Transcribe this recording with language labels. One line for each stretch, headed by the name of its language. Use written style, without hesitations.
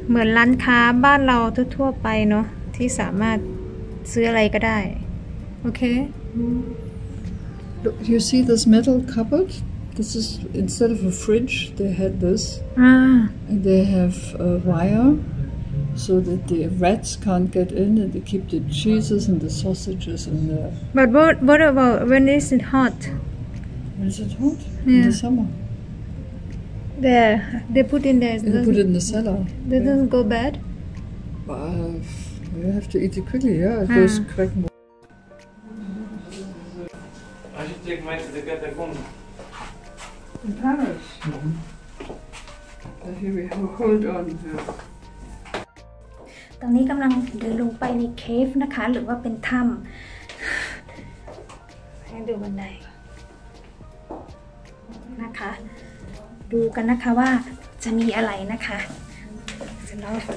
Thai: เหมือนร้านค้าบ้านเราทั่วไปเนาะที่สามารถซื้ออะไรก็ได้ Okay.
English: Look, you see this metal cupboard? This is, instead of a fridge, they had this. And they have a wire so that the rats can't get in, and they keep the cheeses and the sausages in there. But what about when is it hot? When is it hot? Yeah. In the summer. There, they put in there. They put it in the cellar. It doesn't go bad? Well, you have to eat it quickly, yeah. It goes quick more. I should take mine to the catacombs. In Paris? Mm-hmm. Here we have, hold on here.
Thai: ตอนนี้กำลังเดินลงไปในเคฟนะคะหรือว่าเป็นถ้ำให้ดูบันไดนะคะดูกันนะคะว่าจะมีอะไรนะคะจะลอง